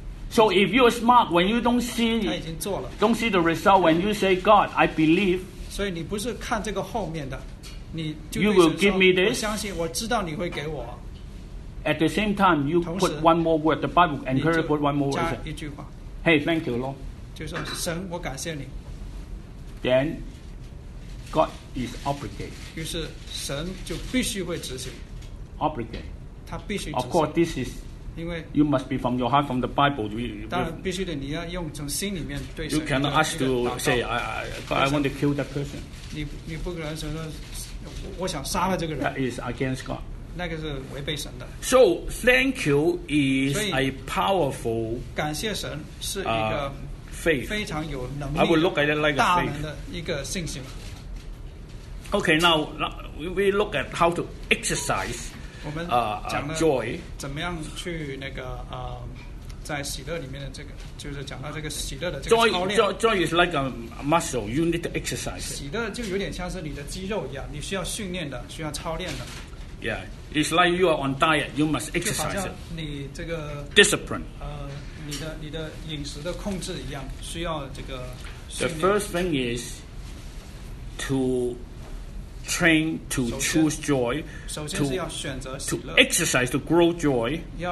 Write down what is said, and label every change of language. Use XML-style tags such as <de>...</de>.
<en>So if you are smart, when you don't see the result, when you say, God, I believe,</en> <zh>所以你不是看这个后面的，你就</zh> <en>you will give me this.</en> <zh>我相信，我知道你会给我。</zh> <en>At the same time, you put one more word. The Bible encourages put one more word.</en> <zh>加一句话。</zh> <en>Hey, thank you, Lord.</en> <zh>就说神，我感谢你。</zh> <en>Then God is obligated.</en> <zh>于是神就必须会执行。</zh> <en>Obligated.</en> <zh>他必须执行。</zh> <en>Of course, this is. You must be from your heart, from the Bible.</en> <zh>当然必须得你要用从心里面对神。</zh> <en>You cannot ask to say, I want to kill that person.</en> <zh>你不可能说，我想杀了这个人。</zh> <en>That is against God.</en> <zh>那个是违背神的。</zh> <en>So thank you is a powerful.</en> <zh>感谢神是一个</zh> <en>faith.</en> <zh>非常有能力。</zh> <en>I will look at it like a faith.</en> <zh>大能的一个信心。</zh> <en>Okay, now we look at how to exercise. Joy.</en> <zh>怎么样去那个在喜乐里面的这个，就是讲到这个喜乐的这个操练。</zh> <en>Joy is like a muscle. You need to exercise.</en> <zh>喜乐就有点像是你的肌肉一样，你需要训练的，需要操练的。</zh> <en>Yeah, it's like you are on diet. You must exercise.</en> <zh>就好像你这个</zh> <en>discipline.</en> <zh>你的饮食的控制一样，需要这个</zh> <en>The first thing is to train to choose joy, to exercise to grow joy.</en>